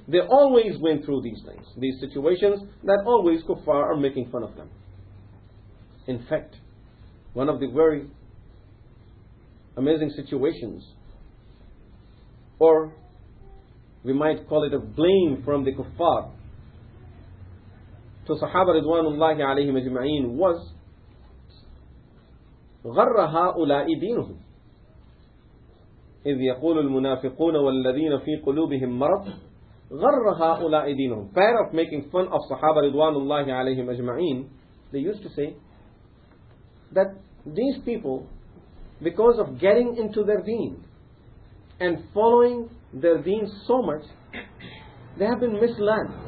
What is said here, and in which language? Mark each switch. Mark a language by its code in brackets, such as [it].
[en] They always went through these things, these situations that always kuffar are making fun of them. In fact, one of the very amazing situations, or we might call it a blame from the kuffar, to Sahaba Ridwanullahi alayhi majma'in was [ar] غَرَّ هَؤُلَاءِ دِينُهُمْ إِذْ يَقُولُ الْمُنَافِقُونَ وَالَّذِينَ فِي قُلُوبِهِمْ مَرَضٌ غَرَّ هَؤُلَاءِ دِينُهُمْ. [en] Pair of making fun of Sahaba Ridwanullahi alayhim ajma'een, they used to say that these people, because of getting into their deen and following their deen so much, they have been misled.